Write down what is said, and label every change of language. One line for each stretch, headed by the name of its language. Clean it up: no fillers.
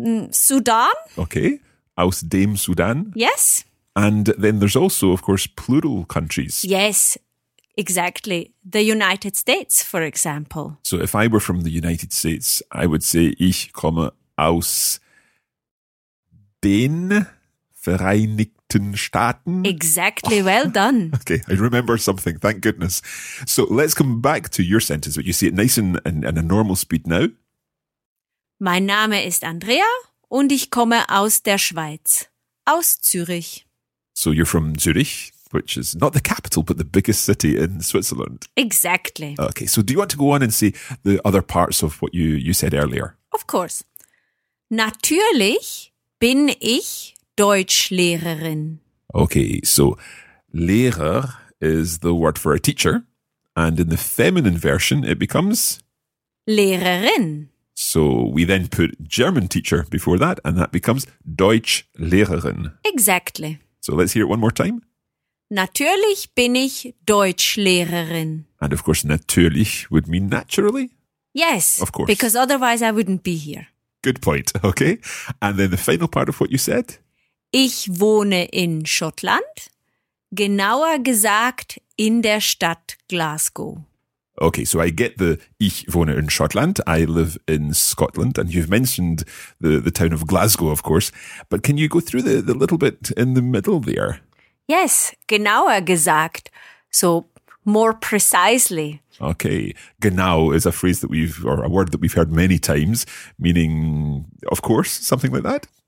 English: Sudan.
German: Okay. Aus dem Sudan.
English: Yes. And then there's also, of course, plural countries. Yes, exactly. The United States, for example. So if I were from the United States, I would say,
German: ich komme aus den Vereinigten Staaten.
English: Exactly. Oh. Well done. Okay. I remember something. Thank goodness. So let's come back to your sentence, but you see it nice and in a normal speed now.
German: Mein Name ist Andrea und ich komme aus der Schweiz, aus Zürich.
English: So you're from Zürich, which is not the capital, but the biggest city in Switzerland. Exactly. Okay, so do you want to go on and see the other parts of what you said earlier? Of course.
German: Natürlich bin ich Deutschlehrerin.
English: Okay, so Lehrer is the word for a teacher, and in the feminine version it becomes
German: Lehrerin.
English: So we then put German teacher before that, and that becomes Deutschlehrerin. Exactly. So let's hear it one more time.
German: Natürlich bin ich Deutschlehrerin.
English: And of course, natürlich would mean naturally. Yes. Of course. Because otherwise I wouldn't be here. Good point. Okay. And then the final part of what you said.
German: Ich wohne in Schottland, genauer gesagt in der Stadt Glasgow.
English: Okay, so I get the
German: ich wohne in Schottland,
English: I live in Scotland, and you've mentioned the town of Glasgow, of course, but can you go through the little bit in the middle there? Yes,
German: genauer gesagt,
English: so more precisely. Okay, genau is a phrase that we've, or a word that we've heard many times, meaning, of course, something like that?